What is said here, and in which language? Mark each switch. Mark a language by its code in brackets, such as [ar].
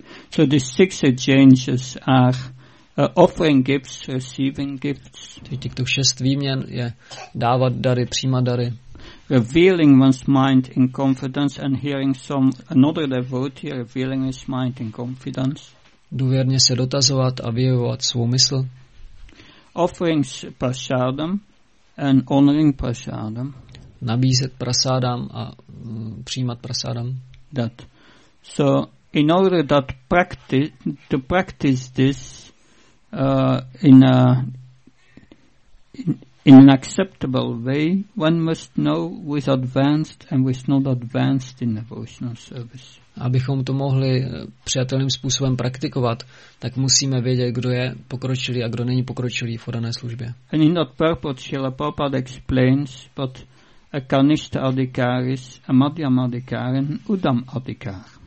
[en] So the six exchanges are offering gifts, receiving gifts. [cs] Těchto šest výměn je dávat dary, přijímat dary. [en] Revealing one's mind in confidence and hearing some another devotee revealing his mind in confidence. [cs] Důvěrně se dotazovat a vyjevovat svou mysl. [en] Offering prasadam and honoring prasadam. [cs] Nabízet prasadam a přijímat prasadam. [en] That. So in order that practice to practice this in an acceptable way, one must know who is advanced and who is not advanced in devotional service. [cs] Abychom to mohli přijatelným způsobem praktikovat, tak musíme vědět, kdo je pokročilý a kdo není pokročilý v dané službě. [en] And in that purport, Srila Prabhupada explains what a kanishta adhikari is, a madhyam adhikari and udam adhikari.